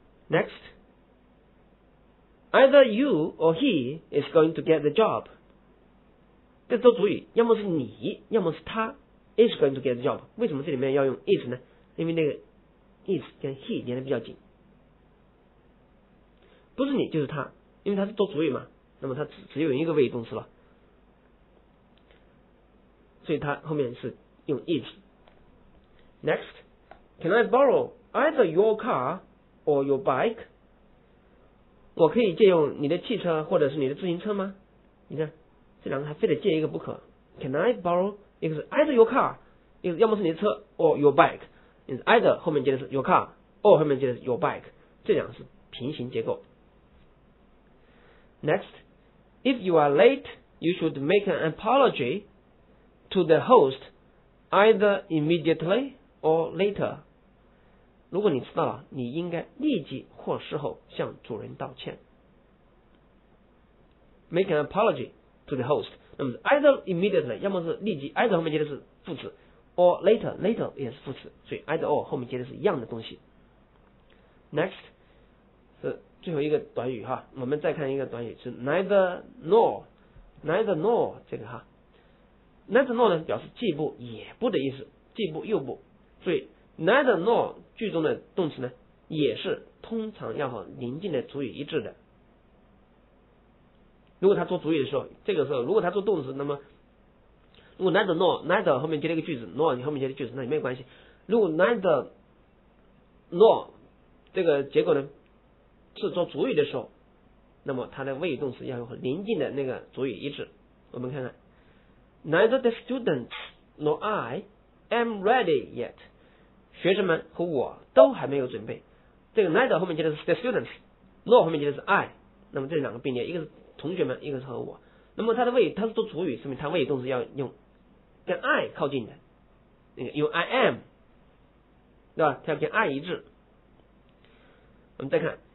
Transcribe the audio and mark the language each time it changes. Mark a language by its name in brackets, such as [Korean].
[English] Next， either you or he is going to get the job， [Chinese] 这都主语，要么是你要么是他 [English] is going to get the job。 [Chinese] 为什么这里面要用 is 呢？因为那个 is 跟 he 连得比较紧，不是你就是他，因为他是都主语嘛，那么他 只有一个谓语动词了，所以他后面是用 is。 [English] Next， Can I borrow either your car or your bike？ [Chinese] 我可以借用你的汽车或者是你的自行车吗？你看这两个还非得借一个不可。 [English] Can I borrow [Chinese] 一个是 [English] either your car， [Chinese] 一个要么是你的车 [English] or your bike， [Chinese] either 后面接的是 your car or 后面接的是 your bike， 这两个是平行结构。 [English] Next， if you are late， you should make an apology to the host either immediately or later。 [Chinese] 如果你迟到了，你应该立即或事后向主人道歉。 [English] Make an apology to the host， [Chinese] 那么 [English] either immediately [Chinese] 要么是立即， either 后面接的是副词 [English] or later， [Chinese] later 也是副词，所以 either or 后面接的是一样的东西。 Next 是最后一个短语哈，我们再看一个短语是 neither nor。 neither nor 这个哈， neither nor 呢表示既不也不的意思，既不又不，所以 neither nor 句中的动词呢也是通常要和邻近的主语一致的。如果他做主语的时候，这个时候如果他做动词，那么如果 neither nor， neither 后面接了一个句子， nor 你后面接了一个句子，那也没有关系。如果 neither nor 这个结果呢是做主语的时候，那么他的谓语动词要和邻近的那个主语一致。我们看看 [English] neither the students nor I am ready yet， [Chinese] 学生们和我都还没有准备。这个 neither 后面接的是 the students， nor 后面接的是 I， 那么这两个并列，一个是同学们，一个是和我，那么他的谓语他是做主语，说明他谓语动词要用跟 I 靠近的，用 [English] I am， [Chinese] 对吧？他要跟 I 一致。我们再看